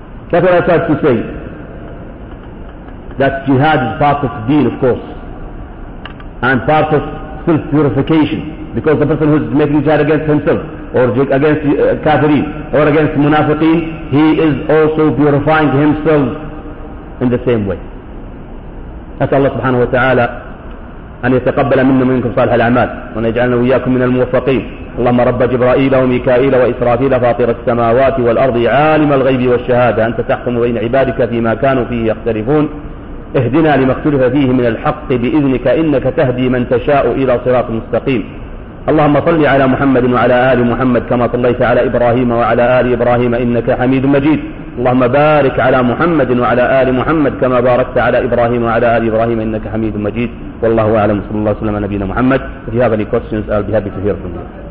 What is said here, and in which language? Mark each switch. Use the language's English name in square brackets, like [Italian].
[English] That's what I tried to say. That jihad is part of deen, of course. And part of self-purification. Because the person who is making jihad against himself, or against kafirin, or against munafiqeen, he is also purifying himself in the same way. [Arabic] As Allah subhanahu wa ta'ala, أن يتقبل منا منكم صالح الأعمال وأن يجعلنا وإياكم من الموفقين. اللهم رب جبرائيل وميكائيل وإسرافيل فاطر السماوات والأرض عالم الغيب والشهادة أنت تحكم بين عبادك فيما كانوا فيه يختلفون. اهدنا لما اختلف فيه من الحق بإذنك إنك تهدي من تشاء إلى صراط مستقيم. اللهم صل على محمد وعلى آل محمد كما صليت على إبراهيم وعلى آل إبراهيم إنك حميد مجيد. اللهم بارك على محمد وعلى آل محمد كما باركت على إبراهيم وعلى آل إبراهيم إنك حميد مجيد. والله أعلم، صلى الله وسلم على نبينا محمد. [English] If you have any questions, I'll be happy to hear from you.